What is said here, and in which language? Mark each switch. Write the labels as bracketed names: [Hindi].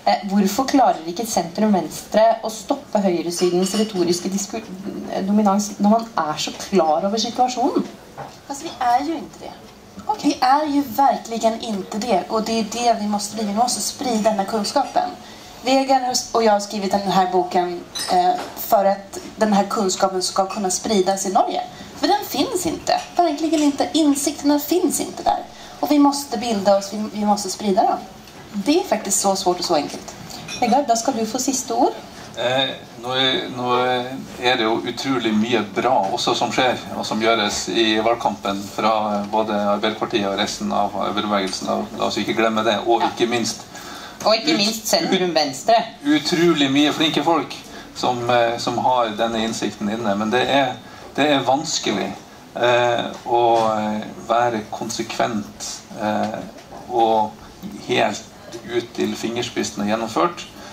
[Norwegian] Hvorfor klarer ikke sentrum venstre å stoppe høyresidens retoriske dominans når man er så klar over situasjonen? Altså, vi er jo ikke det. Okay. [Swedish] Vi er jo verkligen inte det, och det är det vi måste bli. Vi måste sprida den här kunskapen. Vegard och jag har skrivit den här boken för att den här kunskapen ska kunna spridas i Norge. För den finns inte. Verkligen inte. Insikterna finns inte där. Och vi måste bilda oss, vi måste sprida dem. Det är faktiskt så svårt och så enkelt. Vegard, då ska du få sista ord. [Norwegian] Nå er det jo utrolig mye bra også som skjer og som gjøres i valgkampen fra både Arbeiderpartiet og resten av bevegelsen, la oss ikke glemme det, og ikke minst sentrum venstre. Utrolig mye flinke folk som har denne innsikten inne, men det er vanskelig å være konsekvent og helt ut til fingerspissene gjennomført.